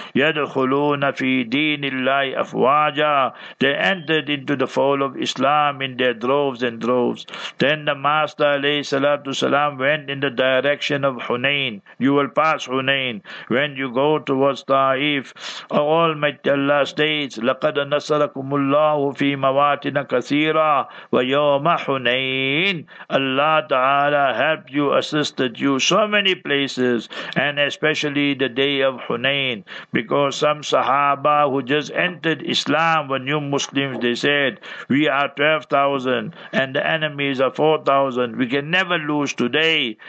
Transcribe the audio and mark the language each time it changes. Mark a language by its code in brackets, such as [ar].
[ar] Yadkhuluna fi dinillahi afwaja. [en] They entered into the fold of Islam in their droves. Then the Master alayhi salatu salam went in the direction of Hunain. You will pass Hunain when you go towards Taif. Almighty Allah states, [ar] لَقَدْ نَصَرَكُمُ اللَّهُ فِي مَوَاتِنَ كَثِيرًا وَيَوْمَ حُنَيْنِ. [en] Allah Ta'ala helped you, assisted you so many places, and especially the day of Hunain, because some Sahaba who just entered Islam were new Muslims. They said, we are 12,000. and the enemies are 4,000. We can never lose today.